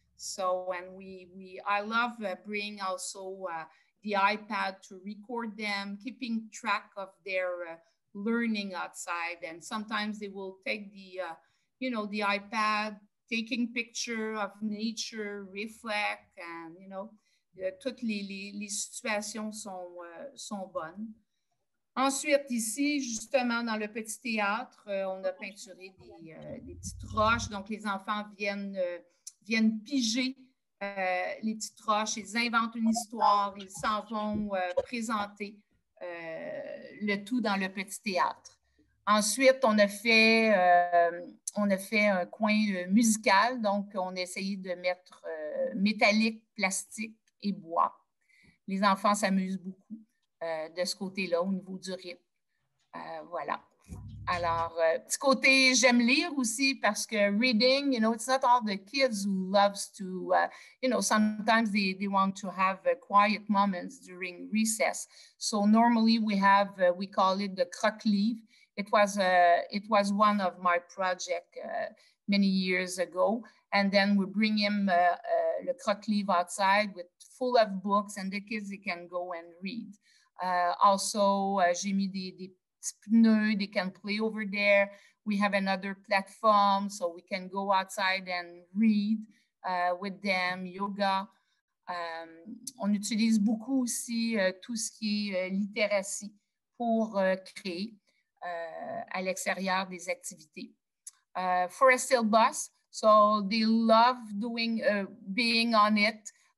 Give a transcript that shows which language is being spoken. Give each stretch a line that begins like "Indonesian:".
English: So when we I love bringing also the iPad to record them, keeping track of their learning outside, and sometimes they will take the iPad, taking picture of nature, reflect, and you know.
French: Toutes les situations sont bonnes. Ensuite, ici, justement, dans le petit théâtre, on a peinturé des petites roches. Donc, les enfants viennent piger les petites roches. Ils inventent une histoire. Ils s'en vont présenter le tout dans le petit théâtre. Ensuite, on a fait un coin musical. Donc, on a essayé de mettre métallique, plastique, et bois. Les enfants s'amusent beaucoup de ce côté-là au niveau du rythme. Voilà. Alors, petit côté, j'aime lire aussi parce que
English: reading, you know, it's not all the kids who loves to, you know, sometimes they want to have quiet moments during recess. So normally we have, we call it the croque livre. It was one of my projects many years ago. And then we bring him le croque livre outside with full of books, and the kids, they can go and read.
French: J'ai mis des petits pneus,
English: they can play over there. We have another platform, so we can go outside and read with them, yoga.
French: On utilise beaucoup aussi tout ce qui est littératie pour créer à l'extérieur des activités.
English: Forest Hill Bus, so they love doing being on it.